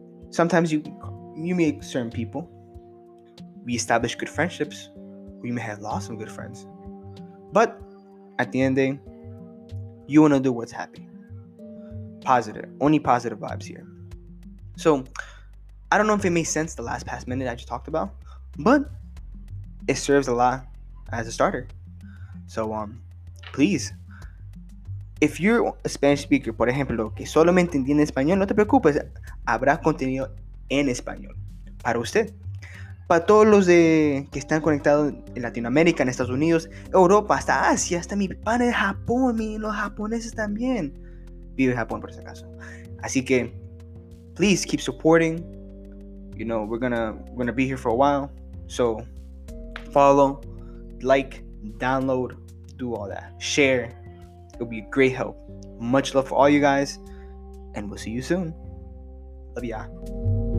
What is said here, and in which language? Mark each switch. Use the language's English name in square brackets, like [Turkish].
[English] Sometimes you meet certain people, we establish good friendships, we may have lost some good friends, but at the end of the day, you want to do what's happy. Positive, only positive vibes here. So I don't know if it makes sense, the last past minute I just talked about, but it serves a lot as a starter. So please, if you're a Spanish speaker, [Spanish] por ejemplo, que solamente entiende español, no te preocupes, habrá contenido en español para usted. Para todos los de que están conectados en Latinoamérica, en Estados Unidos, Europa, hasta Asia, hasta mi pana de Japón, los japoneses también vive en Japón por si acaso. Así que [English] please keep supporting. You know, we're gonna be here for a while, so follow, like, download, do all that, share. It'll be a great help. Much love for all you guys, and we'll see you soon. Love ya.